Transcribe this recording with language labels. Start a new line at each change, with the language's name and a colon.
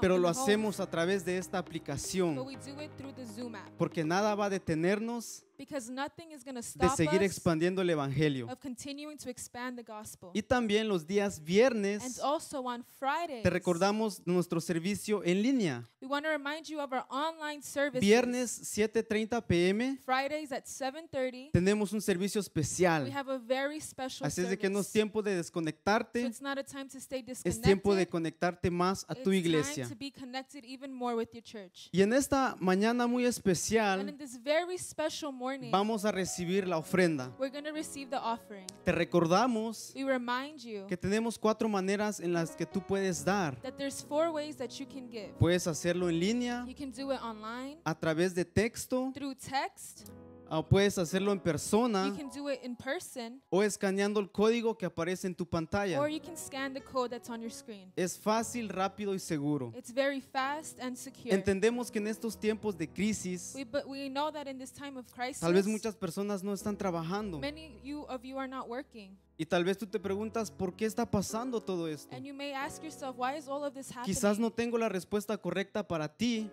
Spanish: pero lo hacemos a través de esta aplicación.
English: But we do it through the Zoom app.
Spanish: Porque nada va a detenernos.
English: Because nothing is going to stop
Spanish: de seguir expandiendo el evangelio.
English: Of continuing to expand the gospel.
Spanish: Y también los días viernes.
English: And also on Fridays.
Spanish: Te recordamos nuestro servicio en línea.
English: We want to remind you of our online services.
Spanish: Viernes 7:30 p.m.
English: Fridays at 7:30.
Spanish: Tenemos un servicio especial.
English: We have a very special
Spanish: así Así es que no es tiempo de desconectarte.
English: So it's not a time to stay disconnected.
Spanish: Es tiempo de conectarte más a
English: it's
Spanish: tu iglesia.
English: It's time to be connected even more with your church.
Spanish: Y en esta mañana muy especial.
English: And in this very special morning.
Spanish: Vamos a recibir la ofrenda.
English: We're going to receive the offering.
Spanish: Te recordamos
English: we remind you
Spanish: que tenemos cuatro maneras en las que tú puedes dar.
English: That there's four ways that you can give.
Spanish: Puedes hacerlo en línea.
English: You can do it online.
Spanish: A través de texto.
English: Through text.
Spanish: O puedes hacerlo en persona.
English: You can do it in person.
Spanish: O escaneando el código que aparece en tu pantalla.
English: Or you can scan the code that's on your screen.
Spanish: Es fácil, rápido y seguro.
English: It's very fast and secure.
Spanish: Entendemos que en estos tiempos de crisis,
English: we know that in this time of crisis,
Spanish: tal vez muchas personas no están trabajando.
English: Many of you are not working.
Spanish: Y tal vez tú te preguntas ¿por qué está pasando todo esto?
English: And you may ask yourself, why is all of this happening?
Spanish: Quizás no tengo la respuesta correcta para ti.